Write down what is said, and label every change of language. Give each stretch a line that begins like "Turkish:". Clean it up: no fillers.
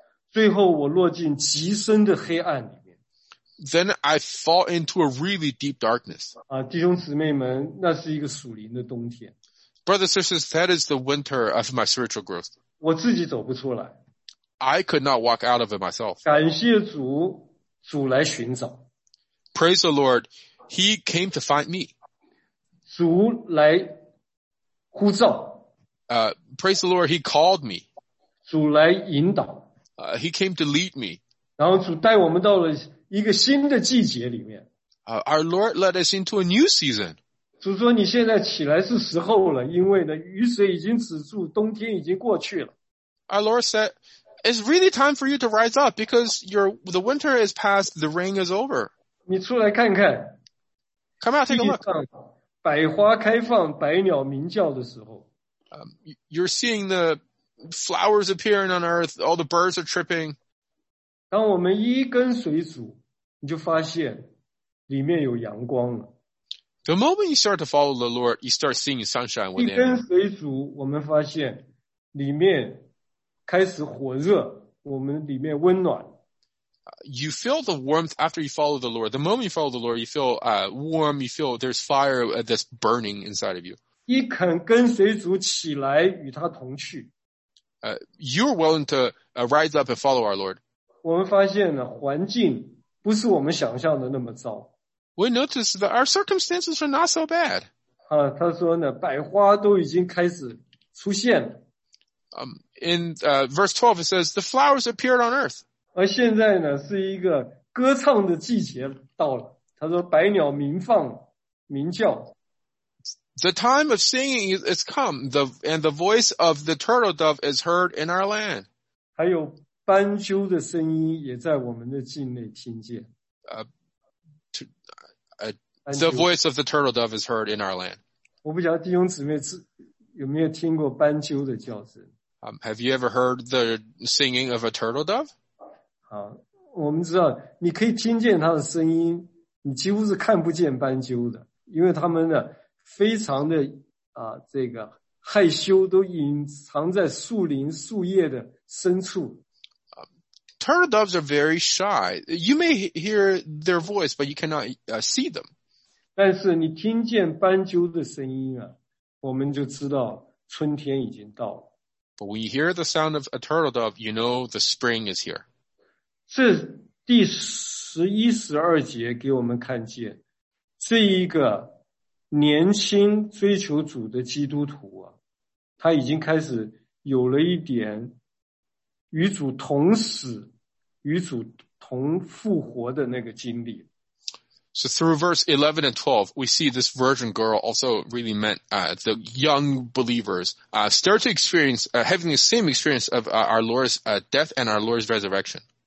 Chinese: 最后我落进极深的黑暗里面。
English: Then I fall into a really deep darkness.
Chinese: 弟兄姊妹们，那是一个属灵的冬天。
English: Brothers and sisters, that is the winter of my spiritual growth.
Chinese: 我自己走不出来。
English: I could not walk out of it myself.
Chinese: 感谢主，主来寻找。
English: Praise the Lord, he came to find me.
Chinese: 主来呼召。
English: Praise the Lord, he called me.
Chinese: 主来引导。
English: He came to lead me.
Chinese: 然后主带我们到了一个新的季节里面。
English: Our Lord led us into a new season.
Chinese: 主说你现在起来是时候了，因为呢雨水已经止住，冬天已经过去了。
English: Our Lord said,It's really time for you to rise up because the winter is past, the rain is over.
Chinese: 你出来看看。
English: Come out, take a look.
Chinese: 百花开放，百鸟鸣叫的时候。
English: You're seeing the flowers appearing on earth, all the birds are tripping.
Chinese: 当我们一跟随主，你就发现里面有阳光了。
English: The moment you start to follow the Lord, you start seeing sunshine within.
Chinese: 一跟随主，我们发现里面开始火热，我们里面温暖。
English: You feel the warmth after you follow the Lord. The moment you follow the Lord, you feel warm. You feel there's fire that's burning inside of you.
Chinese: 你肯跟随主起来与他同去。
English: You're willing to rise up and follow our Lord.
Chinese: 我们发现呢，环境不是我们想象的那么糟。
English: We notice that our circumstances are not so bad.
Chinese: 他说呢，百花都已经开始出现了。
English: In verse 12, it says, the flowers appeared on earth.
Chinese: 而现在呢，是一个歌唱的季节到了。他说，百鸟鸣放，鸣叫。
English: The time of singing is come, and the voice of the turtle dove is heard in our land.
Chinese: 还有斑鸠的声音也在我们的境内听见。
English: The voice of the turtle dove is heard in our land.
Chinese: 我不晓得弟兄姊妹有没有听过斑鸠的叫声。
English: Have you ever heard the singing of a turtle dove?
Chinese: 我们知道你可以听见它的声音，你几乎是看不见斑鸠的，因为它们呢非常的这个害羞，都隐藏在树林树叶的深处。
English: Turtle doves are very shy. You may hear their voice, but you cannot see them.
Chinese: 但是你听见斑鸠的声音啊，我们就知道春天已经到了。
English: But when you hear the sound of a turtle dove, you know the spring is here.
Chinese: 这第十一十二节给我们看见这一个年轻追求主的基督徒啊，他已经开始有了一点与主同死与主同复活的那个经历。
English: So through verse 11 and 12, we see this virgin girl also really meant, the young believers, start to experience, having the same experience of, our Lord's, death and our Lord's resurrection.